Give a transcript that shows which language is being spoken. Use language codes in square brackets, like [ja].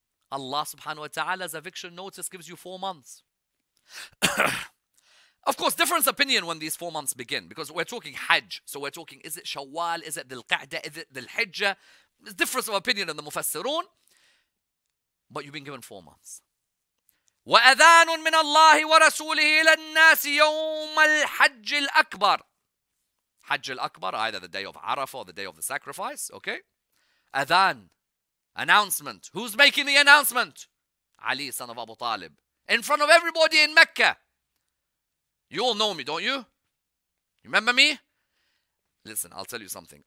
[en] Allah subhanahu wa ta'ala's eviction notice gives you 4 months. Of course, difference opinion when these 4 months begin, because we're talking Hajj. So we're talking, is it Shawwal? Is it Dhul Qa'dah? Is it Dhul Hijjah? There's difference of opinion in the Mufassirun. But you've been given 4 months. [ar] وأذان من الله ورسوله إلى الناس يوم الحج الأكبر. [en] حج الأكبر, either the day of Arafah or the day of the sacrifice, okay? أذان, announcement. Who's making the announcement? Ali, son of Abu Talib. In front of everybody in Mecca. You all know me, don't you? Remember me? Listen, I'll tell you something.